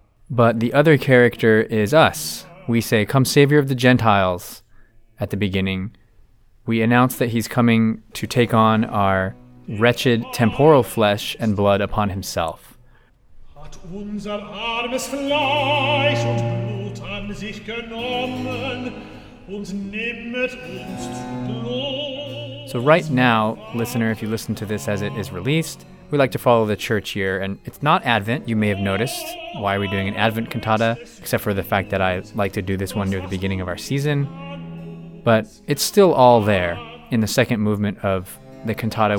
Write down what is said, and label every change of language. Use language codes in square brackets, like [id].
[en] But the other character is us. We say, come Savior of the Gentiles, at the beginning. We announce that he's coming to take on our wretched temporal flesh and blood upon himself. [de] Hat unser armes Fleisch und Blut an sich genommen und nimmt uns zu Blut. [en] So right now, listener, if you listen to this as it is released, we like to follow the church year, and it's not Advent, you may have noticed. Why are we doing an Advent cantata, except for the fact that I like to do this one near the beginning of our season? But it's still all there in the second movement of the cantata.